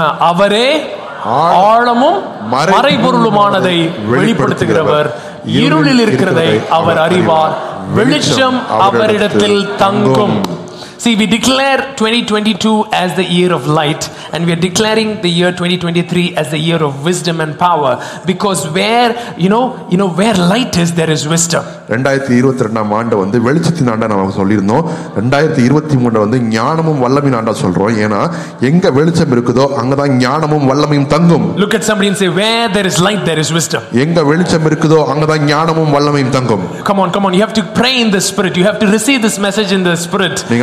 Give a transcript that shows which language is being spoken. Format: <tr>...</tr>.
<ta>அவரே ஆழமும் மறைபொருளுமானதை வெளிப்படுத்துகிறவர், இருளில் இருக்கிறதை அவர் அறிவார், வெளிச்சம் அவரிடத்தில் தங்கும்.</ta> <en>See, we declare 2022 as the year of light, and we are declaring the year 2023 as the year of wisdom and power, because where you know where light is, there is wisdom.</en> <ta>2022 ஆண்டு வந்து வெளிச்சத்தின் ஆண்டா நாம சொல்லிருந்தோம், 2023 வந்து ஞானமும் வல்லமையும் ஆண்டா சொல்றோம். ஏனா எங்க வெளிச்சம் இருக்குதோ அங்கதான் ஞானமும் வல்லமையும் தங்கும்.</ta> <en>Look at somebody and say, where there is light, there is wisdom.</en> <ta>எங்க வெளிச்சம் இருக்குதோ அங்கதான் ஞானமும் வல்லமையும் தங்கும்.</ta> <en>Come on, you have to pray in the spirit. You have to receive this message in the spirit.</en>